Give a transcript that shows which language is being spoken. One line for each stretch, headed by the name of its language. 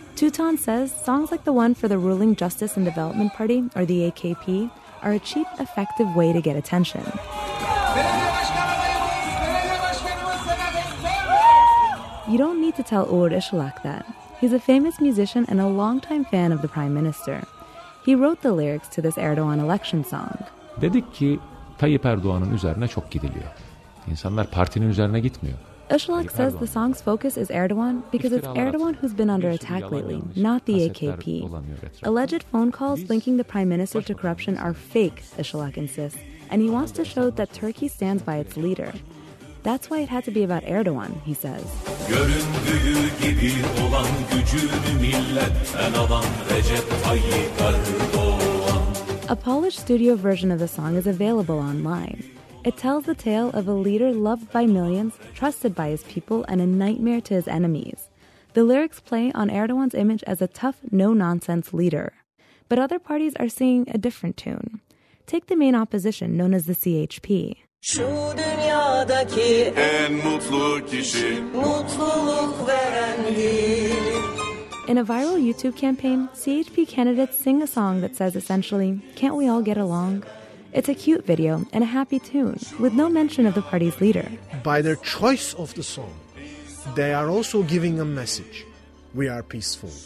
English: Tutan says songs like the one for the ruling Justice and Development Party, or the AKP, are a cheap, effective way to get attention. You don't need to tell Uğur Işılak that. He's a famous musician and a longtime fan of the Prime Minister. He wrote the lyrics to this Erdogan election song.
Turkish: Dedik ki, Tayyip Erdoğan'ın üzerine çok gidiliyor. İnsanlar partinin üzerine gitmiyor.
English: Öcalan says the song's focus is Erdoğan because it's Erdoğan who's been under attack lately, not the AKP. Alleged phone calls linking the prime minister to corruption are fake, Öcalan insists, and he wants to show that Turkey stands by its leader. That's why it had to be about Erdoğan, he says.
Turkish: Göründüğü gibi olan gücünü milletten alan Recep Tayyip Erdoğan.
English: A polished studio version of the song is available online. It tells the tale of a leader loved by millions, trusted by his people, and a nightmare to his enemies. The lyrics play on Erdoğan's image as a tough, no-nonsense leader. But other parties are singing a different tune. Take the main opposition, known as the CHP.
Turkish: Şu dünyadaki en mutlu kişi, mutluluk verendi.
English: In a viral YouTube campaign, CHP candidates sing a song that says essentially, "Can't we all get along?" It's a cute video and a happy tune, with no mention of the party's leader. By their choice of the song, they are also giving a message. We are peaceful.